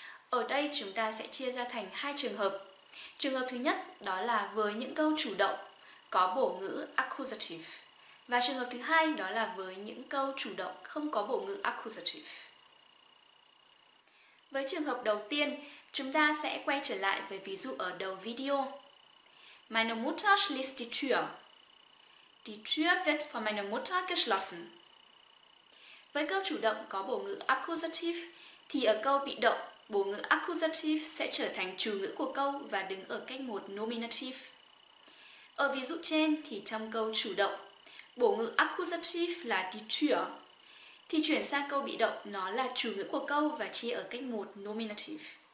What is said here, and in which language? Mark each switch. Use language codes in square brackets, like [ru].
[vi] Ở đây, chúng ta sẽ chia ra thành hai trường hợp. Trường hợp thứ nhất đó là với những câu chủ động có bổ ngữ accusative. Và trường hợp thứ hai đó là với những câu chủ động không có bổ ngữ accusative. Với trường hợp đầu tiên, chúng ta sẽ quay trở lại với ví dụ ở đầu video. [de] Meine Mutter schließt die Tür. Die Tür wird von meiner Mutter geschlossen. [vi] Với câu chủ động có bổ ngữ accusative thì ở câu bị động, bổ ngữ accusative sẽ trở thành chủ ngữ của câu và đứng ở cách một nominative. Ở ví dụ trên thì trong câu chủ động, bổ ngữ accusative là die Tür, thì chuyển sang câu bị động, nó là chủ ngữ của câu và chia ở cách một nominative.